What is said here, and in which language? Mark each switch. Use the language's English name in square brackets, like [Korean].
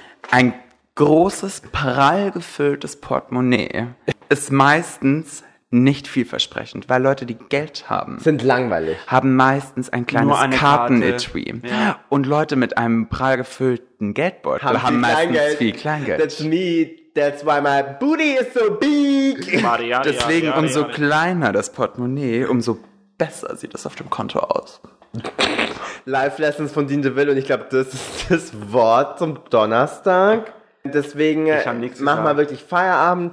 [German] ein großes, prall gefülltes Portemonnaie ist meistens nicht vielversprechend, weil Leute, die Geld haben, sind langweilig, haben meistens ein kleines Kartenetui. Ja. Und Leute mit einem prall gefüllten Geldbeutel haben meistens Kleingeld. Viel Kleingeld. [English] That's me. That's why my booty is so big. [German] Deswegen, umso kleiner das Portemonnaie, umso besser sieht es auf dem Konto aus. Life Lessons von Dean DeVille, und ich glaube, das ist das Wort zum Donnerstag. Deswegen mach mal wirklich Feierabend.